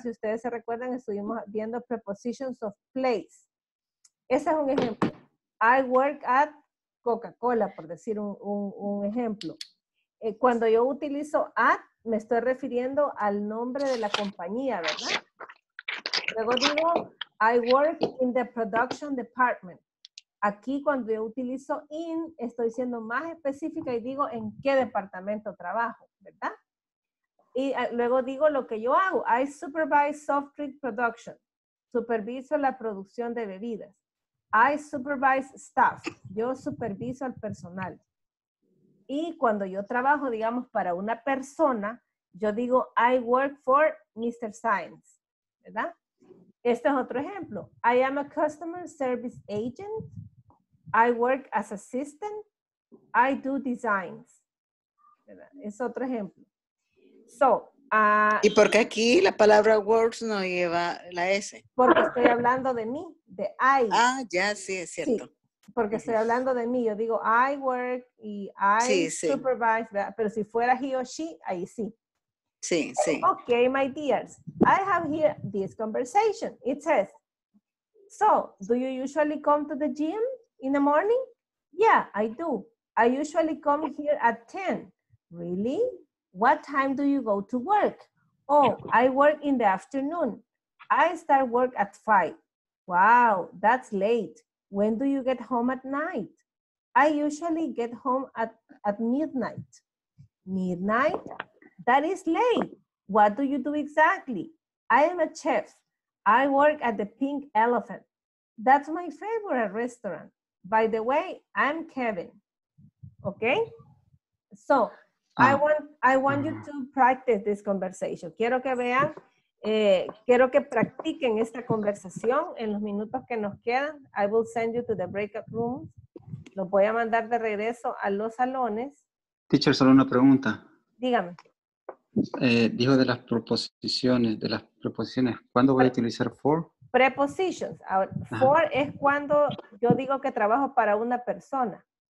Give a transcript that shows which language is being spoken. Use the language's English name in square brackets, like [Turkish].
[Spanish] Si ustedes se recuerdan, estuvimos viendo [English] prepositions of place. [Spanish] Ese es un ejemplo. [English] I work at Coca-Cola, [Spanish] por decir un ejemplo. Cuando yo utilizo at, me estoy refiriendo al nombre de la compañía, ¿verdad? Luego digo, [English] I work in the production department. [Spanish] Aquí cuando yo utilizo in, estoy siendo más específica y digo en qué departamento trabajo, ¿verdad? Y luego digo lo que yo hago. [English] I supervise soft drink production. [Spanish] Superviso la producción de bebidas. [English] I supervise staff. [Spanish] Yo superviso al personal. Y cuando yo trabajo, digamos, para una persona, yo digo [English] I work for Mr. [Spanish] Science, ¿verdad? Este es otro ejemplo. [English] I am a customer service agent. I work as assistant. I do designs. [Spanish] Es otro ejemplo. [English] So, [Spanish] ¿y por qué aquí la palabra works no lleva la S? Porque estoy hablando de mí, de I. Ah, ya, sí, es cierto. Sí, porque estoy hablando de mí. Yo digo [English] I work [Spanish] y [English] I supervise. [Spanish] ¿Verdad? Pero si fuera he o she, ahí sí. Sí, sí. [English] Okay, my dears. I have here this conversation. It says, so, do you usually come to the gym? In the morning? Yeah, I do. I usually come here at 10. Really? What time do you go to work? Oh, I work in the afternoon. I start work at 5. Wow, that's late. When do you get home at night? I usually get home at midnight. Midnight? That is late. What do you do exactly? I am a chef. I work at the Pink Elephant. That's my favorite restaurant. By the way, I'm Kevin. Okay? So, I want you to practice this conversation. [Spanish] Quiero que vean, quiero que practiquen esta conversación en los minutos que nos quedan. [English] I will send you to the breakout room. [Spanish] Los voy a mandar de regreso a los salones. Teacher, solo una pregunta. Dígame. Dijo de las preposiciones, ¿cuándo voy a utilizar for? [English] Prepositions. [Spanish] Ahora, for es cuando yo digo que trabajo para una persona.